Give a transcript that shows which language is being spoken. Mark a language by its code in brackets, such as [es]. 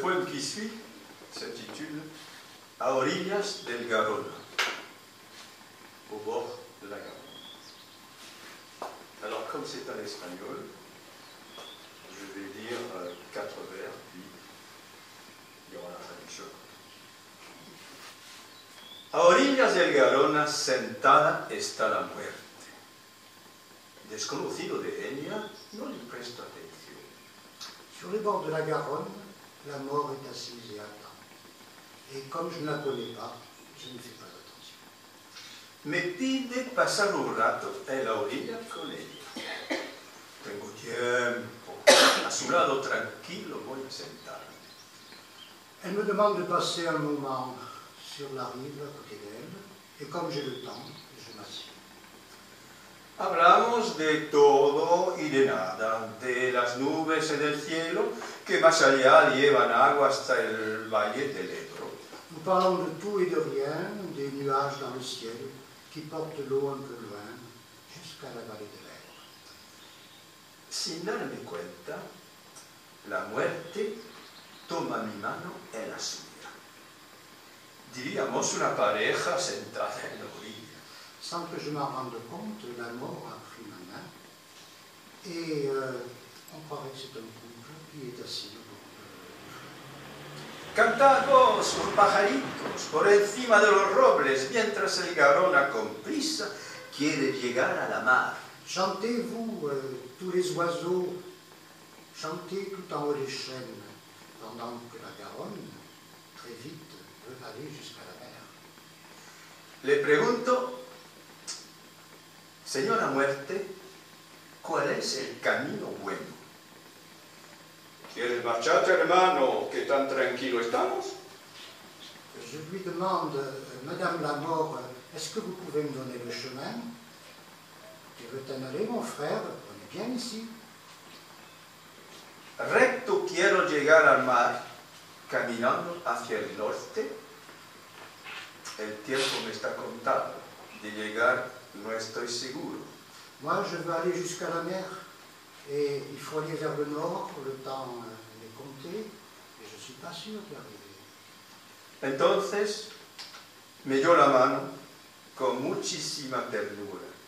[fr] Qui suit s'intitule [es] A orillas del Garona, [fr] au bord de la Garona. Alors, comme c'est en espagnol, je vais lire quatre vers, puis il y aura la traduction. [es] A orillas del Garona, sentada está la muerte. Desconocido de ella, no le presto atención. [fr] Sur les bords de la Garona, la mort est assise et attend. Et comme je ne la connais pas, je ne fais pas attention. [es] Me pide pasar un rato en la orilla con ella. Tengo tiempo. A su lado, tranquilo, voy a sentarme. [fr] Elle me demande de passer un moment sur la rive à côté d'elle. Et comme j'ai le temps, je m'assieds. [es] Hablamos de todo y de nada, de las nubes y del cielo, que más allá llevan agua hasta el valle del Ebro. [fr] Nous parlons de tout et de rien, des nuages dans le ciel, qui portent l'eau un peu loin, jusqu'à la vallée de l'Ebro. [es] Sin darme cuenta, la muerte toma mi mano en la suya. Diríamos una pareja sentada en la orilla. [fr] Sans que je m'en rende compte, la mort a pris ma main. Et on croirait que c'est un couple qui est assis. [es] Cantamos con pajaritos por encima de los robles mientras el Garona con prisa quiere llegar a la mar. [fr] Chantez-vous, tous les oiseaux, chantez tout en haut des chênes, pendant que la Garonne, très vite, veut aller jusqu'à la mer. [es] Le pregunto, señora muerte, ¿cuál es el camino bueno? ¿Quieres marcharte, hermano, que tan tranquilo estamos? [fr] Je lui demande, madame la mort, est-ce que vous pouvez me donner le chemin? Tu veux t'en aller, mon frère? On est bien ici. [es] Recto quiero llegar al mar, caminando hacia el norte. El tiempo me está contando. De llegar, no estoy seguro. [fr] Moi, je veux aller jusqu'à la mer. Et il faut aller vers le nord, le temps m'est compté. Et je ne suis pas sûr d'y arriver. [es] Entonces, me dio la mano con muchísima ternura.